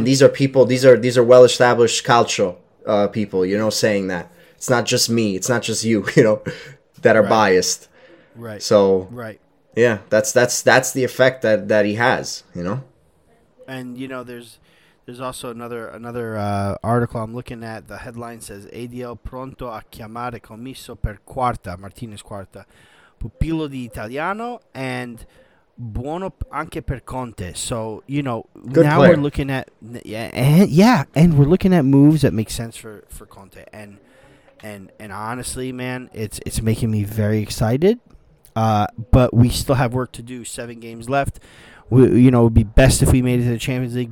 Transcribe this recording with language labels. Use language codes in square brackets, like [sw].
[en] And these are people, these are well established calcio people, you know, saying that. It's not just me, it's not just you, you know, that are biased. Right. So right. Yeah, that's the effect that he has, you know? And you know, there's also another article I'm looking at. The headline says [it] ADL pronto a chiamare commisso per quarta, Martinez quarta, pupillo di Italiano and buono anche per Conte. [en] So, you know, good now player. We're looking at and we're looking at moves that make sense for Conte. And And honestly, man, it's making me very excited. But we still have work to do. 7 games left. We, you know, it would be best if we made it to the Champions League.